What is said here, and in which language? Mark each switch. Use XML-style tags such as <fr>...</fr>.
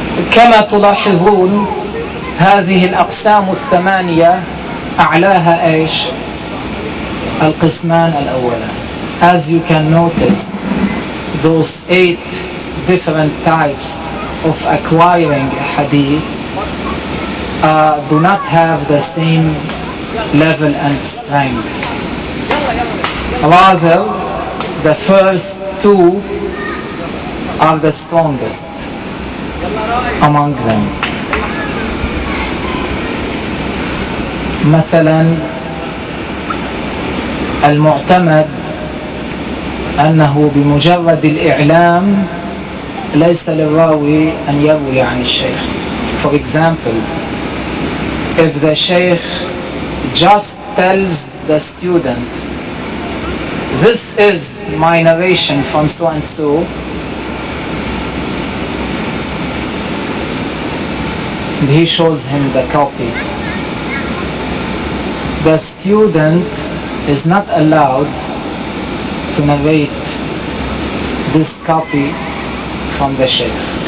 <ar>كما تلاحظون هذه الأقسام الثمانية أعلاها إيش؟ القسمان الأولان.</ar> <en>As you can notice, those eight different types of acquiring hadith do not have the same level and strength. Rather, the first two are the strongest among them.</en> <ar>مثلا المعتمد أنه بمجرد الإعلام ليس للراوي أن يروي عن الشيخ.</ar> <en>For example, if the sheikh just tells the student, this is my narration from so and so, he shows him the copy, the student is not allowed to narrate this copy from the sheikh.</en>